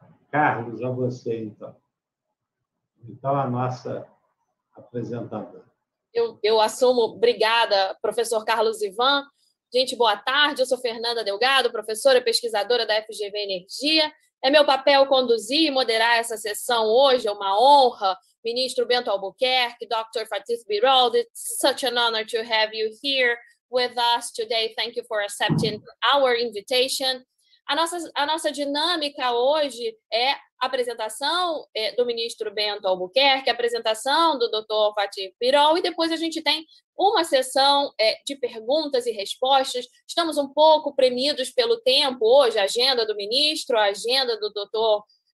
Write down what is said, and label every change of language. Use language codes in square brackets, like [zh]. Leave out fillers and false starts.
[pt] Carlos, a você, então. Então, a nossa apresentadora. Eu assumo. Obrigada, professor Carlos Ivan. Gente, boa tarde. Eu sou Fernanda Delgado, professora e pesquisadora da FGV Energia. É meu papel conduzir e moderar essa sessão hoje. É uma honra. Ministro Bento Albuquerque, Dr. [en] Fatih Birol, it's such an honor to have you here with us today. Thank you for accepting our invitation. [pt] A nossa dinâmica hoje é a apresentação do ministro Bento Albuquerque, a apresentação do Dr. Fatih Birol, e depois a gente tem uma sessão de perguntas e respostas. Estamos um pouco premidos pelo tempo hoje, a agenda do ministro, a agenda do Dr.